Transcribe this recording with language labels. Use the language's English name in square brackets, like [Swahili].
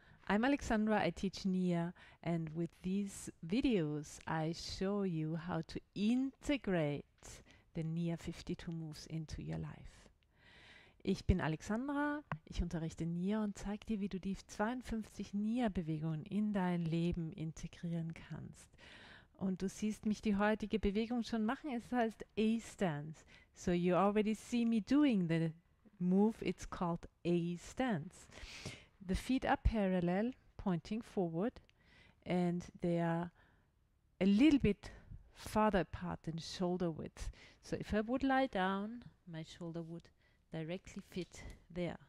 [English] I'm Alexandra, I teach NIA, and with these videos I show you how to integrate the NIA 52 moves into your life. [German] Ich bin Alexandra, ich unterrichte NIA und zeige dir, wie du die 52 NIA-Bewegungen in dein Leben integrieren kannst. Und du siehst mich die heutige Bewegung schon machen, es heißt A-Stance. [English] So you already see me doing the move, it's called A stance. The feet are parallel, pointing forward, and they are a little bit farther apart than shoulder width. So if I would lie down, my shoulder would directly fit there.